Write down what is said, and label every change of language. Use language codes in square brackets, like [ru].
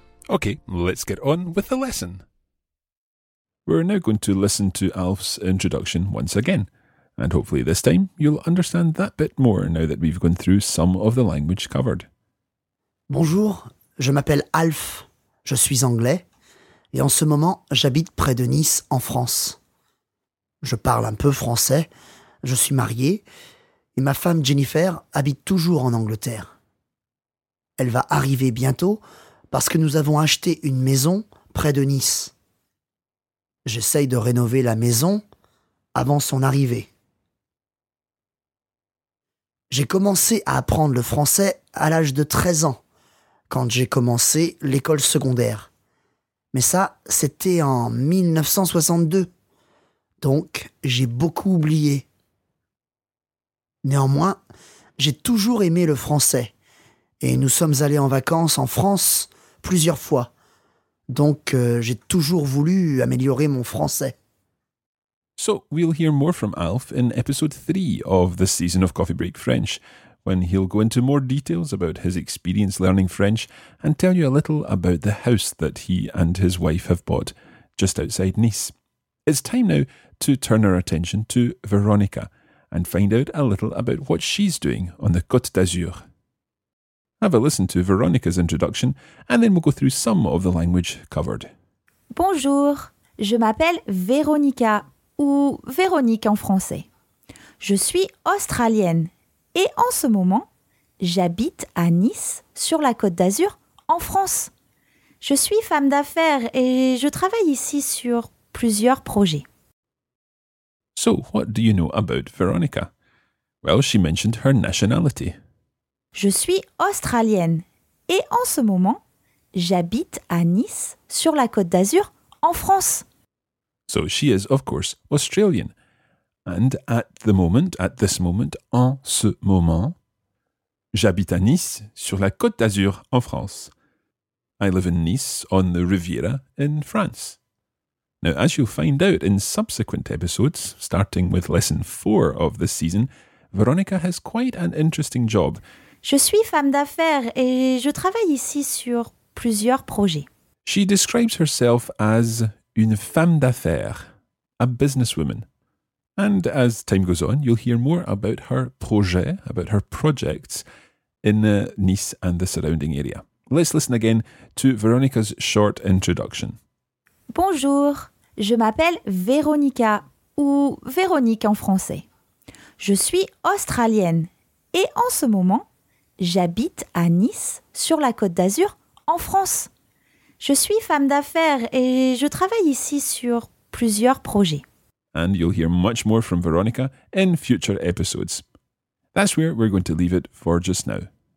[en] Okay, let's get on with the lesson. We're now going to listen to Alf's introduction once again, and hopefully this time you'll understand that bit more now that we've gone through some of the language covered. [fr] Bonjour, je m'appelle Alf, je suis anglais, et en ce moment j'habite près de Nice en France. Je parle un peu français, je suis marié, et ma femme Jennifer habite toujours en Angleterre. Elle va arriver bientôt, parce que nous avons acheté une maison près de Nice. J'essaye de rénover la maison avant son arrivée. J'ai commencé à apprendre le français à l'âge de 13 ans, quand j'ai commencé l'école secondaire. Mais ça, c'était en 1962. Donc, j'ai beaucoup oublié. Néanmoins, j'ai toujours aimé le français. Et nous sommes allés en vacances en France plusieurs fois. Donc, j'ai toujours voulu améliorer mon français. [en] So, we'll hear more from Alf in episode 3 of this season of Coffee Break French, when he'll go into more details about his experience learning French and tell you a little about the house that he and his wife have bought just outside Nice. It's time now to turn our attention to Veronica and find out a little about what she's doing on the Côte d'Azur. Have a listen to Veronica's introduction, and then we'll go through some of the language covered. [fr] Bonjour, je m'appelle Veronica, ou Véronique en français. Je suis australienne, et en ce moment, j'habite à Nice, sur la Côte d'Azur, en France. Je suis femme d'affaires, et je travaille ici sur plusieurs projets. [en] So, what do you know about Veronica? Well, she mentioned her nationality. [fr] Je suis australienne et en ce moment, j'habite à Nice, sur la Côte d'Azur, en France. [en] So she is, of course, Australian. And at this moment, [fr] en ce moment, j'habite à Nice, sur la Côte d'Azur, en France. [en] I live in Nice, on the Riviera, in France. Now, as you'll find out in subsequent episodes, starting with lesson 4 of this season, Veronica has quite an interesting job. [fr] Je suis femme d'affaires et je travaille ici sur plusieurs projets. [en] She describes herself as [fr] une femme d'affaires, [en] a businesswoman. And as time goes on, you'll hear more about her projet, about her projects in Nice and the surrounding area. Let's listen again to Veronica's short introduction. [fr] Bonjour, je m'appelle Veronica, ou Véronique en français. Je suis australienne et en ce moment, j'habite à Nice, sur la Côte d'Azur, en France. Je suis femme d'affaires et je travaille ici sur plusieurs projets. [en] And you'll hear much more from Veronica in future episodes. That's where we're going to leave it for just now.